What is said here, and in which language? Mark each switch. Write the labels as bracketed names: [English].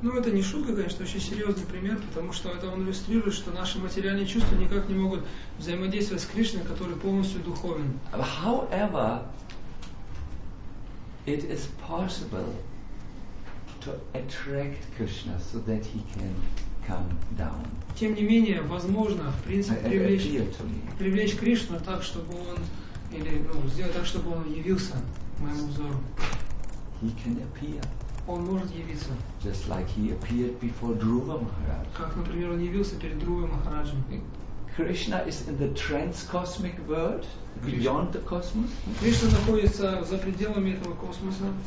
[Russian] Ну это не шутка, конечно, очень серьезный пример, потому что это он иллюстрирует, что наши материальные чувства никак не могут взаимодействовать с Кришной, который полностью духовен. [English] However, it is possible to attract Krishna so that he can come down. [Russian] Тем не менее, возможно, в принципе, привлечь Кришну так, чтобы он или сделать так, чтобы он явился моему взору. [English] He can appear. [Russian] он может явиться. [English] Just like he appeared before Dhruva Maharaj. [Russian] Как, например, он явился перед Друвой Махараджем. [English] Krishna is in the transcosmic world, beyond the cosmos. [Russian] Krishna находится за пределами этого космоса.